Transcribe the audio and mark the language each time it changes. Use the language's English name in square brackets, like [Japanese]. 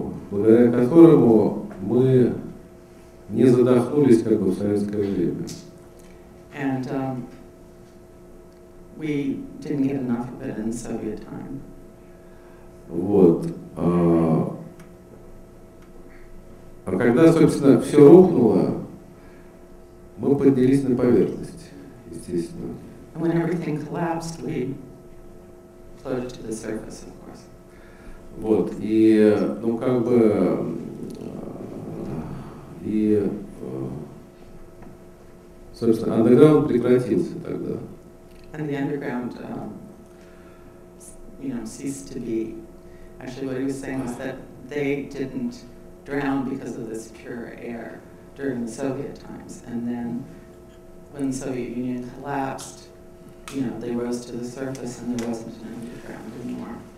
[Russian] Благодаря которому мы не задохнулись, как бы, в советское время. [English] And we didn't get enough of it in Soviet time. [Russian] Вот. А когда, собственно, все рухнуло, мы поднялись на поверхность, естественно. [English] And when everything collapsed, we floated to the surface, of course. [Russian] Вот. И, ну, как бы, и собственно, андеграунд прекратился тогда. [English] And the underground, you know, ceased to be. Actually, what he was saying was that they didn't drown because of this pure air during the Soviet times. And then when the Soviet Union collapsed, you know, they rose to the surface and there wasn't an underground anymore.